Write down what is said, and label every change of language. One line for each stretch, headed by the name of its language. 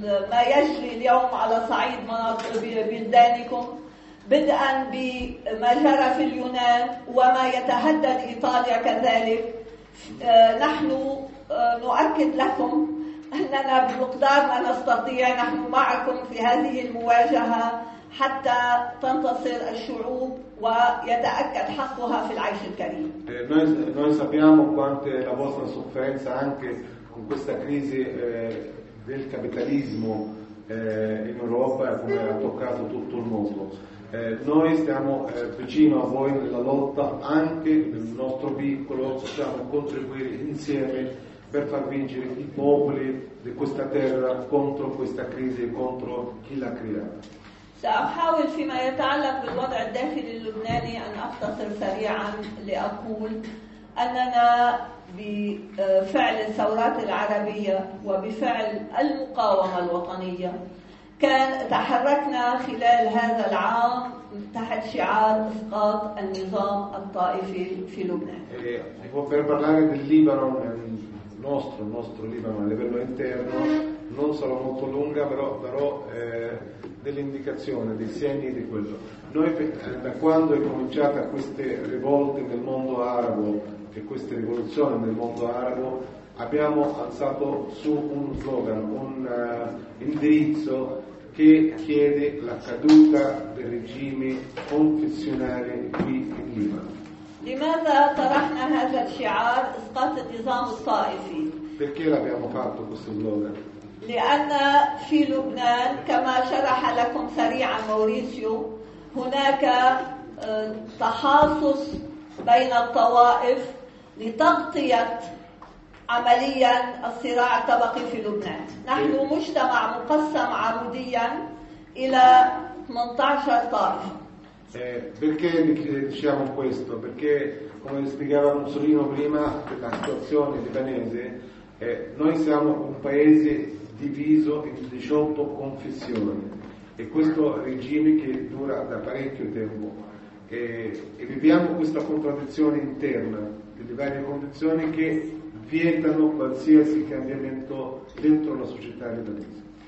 Arabic: ما يجري اليوم على صعيد مناطق بلدانكم بدءا بما جرى في اليونان وما يتهدد إيطاليا كذلك نحن نؤكد لكم أننا بمقدار ما نستطيع نحن معكم في هذه المواجهة حتى تنتصر الشعوب ويتأكد حقها في العيش الكريم.
Italian: Noi sappiamo quanto la vostra sofferenza anche con questa crisi del capitalismo in Europa come ha toccato tutto il mondo. Noi stiamo vicino a voi nella lotta anche nel nostro piccolo possiamo contribuire insieme per far vincere i popoli di questa terra contro questa crisi e contro chi l'ha creata.
Arabic: سأحاول فيما يتعلق بالوضع الداخلي اللبناني أن أختصر سريعا لأقول أننا بفعل الثورات العربية وبفعل المقاومة الوطنية كان تحركنا خلال هذا العام تحت شعار إسقاط النظام الطائفي في لبنان.
Italian: Per parlare del Libano, il nostro Libano a livello interno, non sarò molto lunga, però darò dell'indicazione, dei segni di quello. Noi da quando è cominciata queste rivolte nel mondo arabo e queste rivoluzioni nel mondo arabo, abbiamo alzato su un slogan, un indirizzo che chiede la caduta del regime confessionale qui in Libano. Perché l'abbiamo fatto questo slogan?
Arabic: لأن في لبنان كما شرح لكم سريعا موريسيو هناك تحاصص بين الطوائف لتغطية عمليا الصراع الطبقي في لبنان. نحن مجتمع مقسم عموديا إلى 18 طائفة.
Italian: Perché diciamo questo? Perché come spiegava Mussolino prima della situazione libanese, noi siamo un paese diviso in 18 confessioni e questo regime che dura da parecchio tempo e viviamo questa contraddizione interna delle varie confessioni che vietano qualsiasi cambiamento dentro la società libanese.